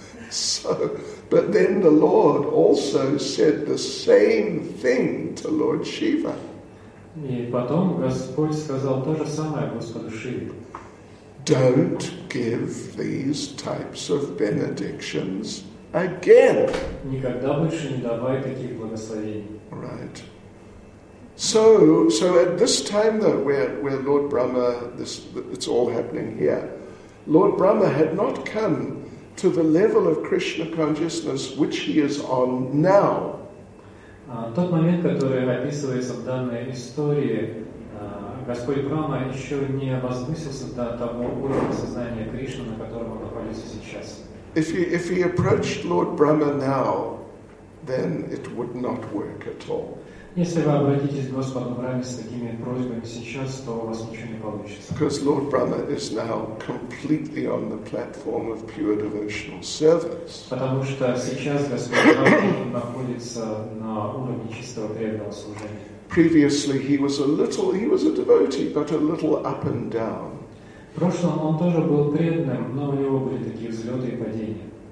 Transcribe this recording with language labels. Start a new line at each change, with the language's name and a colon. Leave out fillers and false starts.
English: So, but then the Lord also said the same thing to Lord Shiva.
Russian: И потом Господь сказал то же самое Господу Шиве.
English: Don't give these types of benedictions again.
Russian: Никогда больше не давай таких благословений.
English: Right. So at this time though, where Lord Brahma, it's all happening here. Lord Brahma had not come to the level of Krishna consciousness which he is on now.
Russian: Тот момент, который описывается в данной истории, Господь Брама еще не возвысился до того уровня сознания Кришны, на котором он находится сейчас.
English: If he approached Lord Brahma now, then it would not work at all.
Russian: Если вы обратитесь к Господу Браме с такими просьбами сейчас, то у вас ничего не получится.
English: Because Lord Brahma is now completely on the platform of pure devotional service.
Russian: Потому что сейчас Господь Брама находится на уровне чистого преданного служения.
English: Previously he was a devotee, but a little up and down.
Russian: В прошлом он тоже был преданным, но у него были такие взлеты и падения.